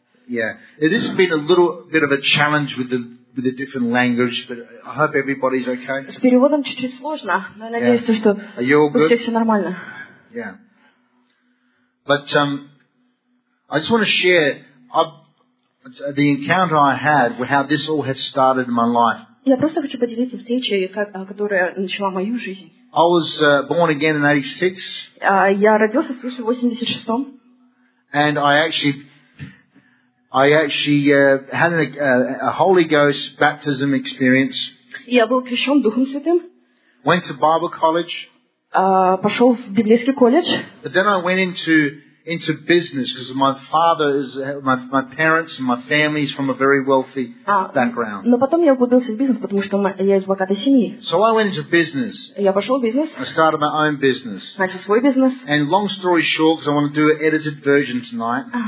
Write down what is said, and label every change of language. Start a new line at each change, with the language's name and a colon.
English: Yeah, it has been a little bit of a challenge with the different language, but I hope everybody's okay.
Russian: С переводом чуть-чуть сложно, но я надеюсь, что у всех все нормально.
English: Yeah, but I just want to share the encounter I had with how this all had started in my life.
Russian: Я просто хочу поделиться встречей, которая начала мою жизнь.
English: I was born again in 86.
Russian: Я родился свыше в 86-м.
English: And I actually had a Holy Ghost baptism experience.
Russian: Я был крещен Духом Святым.
English: Went to Bible college.
Russian: Пошел в библейский колледж.
English: But then I went into business because my father is my parents and my family is from a very wealthy background.
Russian: Но потом я углубился в бизнес, потому что я из богатой семьи.
English: So I went into business.
Russian: Я пошел в бизнес.
English: I started my own business.
Russian: Начал свой бизнес.
English: And long story short, because I want to do an edited version tonight.